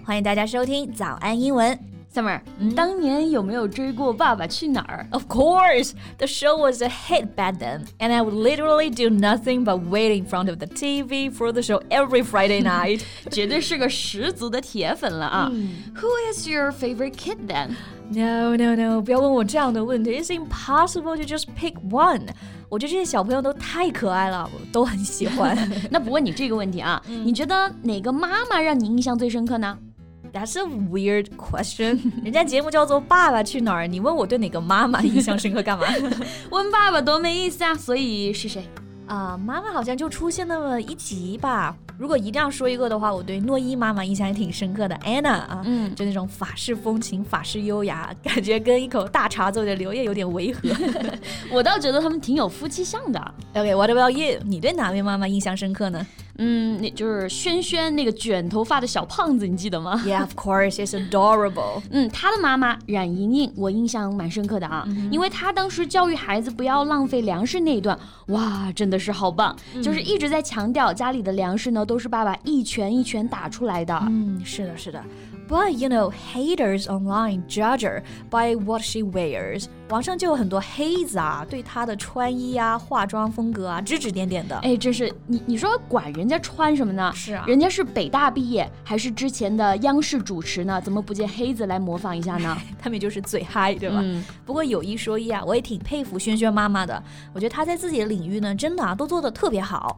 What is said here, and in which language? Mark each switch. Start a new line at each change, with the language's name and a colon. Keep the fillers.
Chinese: 欢迎大家收听早安英文。Summer，、嗯、当年有没有追过《爸爸去哪儿》？Of mm -hmm.
English: course, the show was a hit back then, and I would literally do nothing but wait in front of the TV for the show every Friday night.
Chinese: 绝对是个十足的铁粉了啊、嗯、！Who hmm.
English: is your favorite kid then? No, no, no.
Chinese: no，不要问我这样的问题。
English: It's impossible to just pick one.
Chinese: 我觉得这些小朋友都太可爱了，我都很喜欢。 那不问你这个问题啊？嗯、你觉得哪个妈妈让你印象最深刻呢？
English: t t h a s a weird question。
Chinese: 人家节目叫做《爸爸去哪儿》，你问我对哪个妈妈印象深刻，干嘛？问爸爸多没意思啊！所以是谁啊？Uh, 妈妈好像就出现那么一集吧。如果一定要说一个的话，我对诺一妈妈印象也挺深刻的，Anna 啊，嗯，就那种法式风情、法式优雅，感觉跟一口大碴子味的刘烨有点违和。我倒觉得他们挺有夫妻相的。
English: o、okay, k what about you？
Chinese: 你对哪位妈妈印象深刻呢？嗯，那就是轩轩那个卷头发的小胖子，你记得吗？
English: Yeah，of course，is t adorable。
Chinese: 嗯，他的妈妈冉莹莹，我印象蛮深刻的啊，嗯、因为他当时教育孩子不要浪费粮食那一段，哇，真的是好棒，嗯、就是一直在强调家里的粮食呢。都是爸爸一拳一拳打出来的。嗯，是的，是的。
English: But you know, haters online judge her by what she wears。
Chinese: 网上就有很多黑子啊，对她的穿衣啊、化妆风格啊指指点点的。哎，真是你你说管人家穿什么呢？是啊，人家是北大毕业，还是之前的央视主持呢？怎么不见黑子来模仿一下呢？ 他们就是嘴嗨，对吧？嗯、不过有一说一啊，我也挺佩服萱萱妈妈的。我觉得她在自己的领域呢，真的啊都做得特别好。